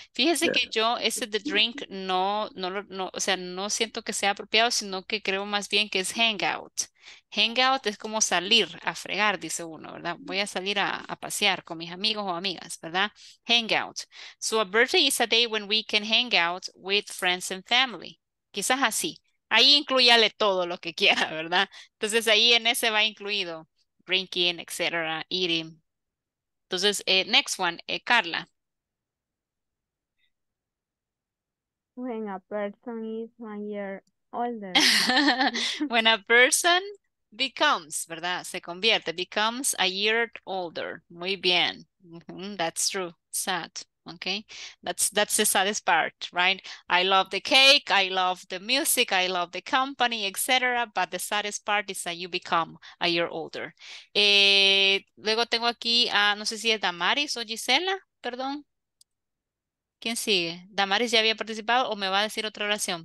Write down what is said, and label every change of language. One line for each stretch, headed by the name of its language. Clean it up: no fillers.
Spanish: Fíjese yeah. que yo ese de drink no, o sea, no siento que sea apropiado, sino que creo más bien que es hangout. Hangout es como salir a fregar, dice uno, ¿verdad? Voy a salir a pasear con mis amigos o amigas, ¿verdad?
English: Hangout. So a birthday is a day when we can hang out with friends and family.
Spanish: Quizás así. Ahí incluyale todo lo que quiera, ¿verdad? Entonces ahí en ese va incluido drinking, etc., eating. Entonces,
English: next one, Carla. When a person is 1 year older. When a person becomes,
Spanish: ¿verdad? Se convierte,
English: becomes a year older.
Spanish: Muy bien.
English: Mm-hmm, that's true. Sad. Okay, that's the saddest part, right? I love the cake, I love the music, I love the company, etc. But the saddest part is that you become a year older.
Spanish: Luego tengo aquí, no sé si es Damaris o Gisela, perdón. ¿Quién sigue? ¿Damaris ya había participado o me va a decir otra oración?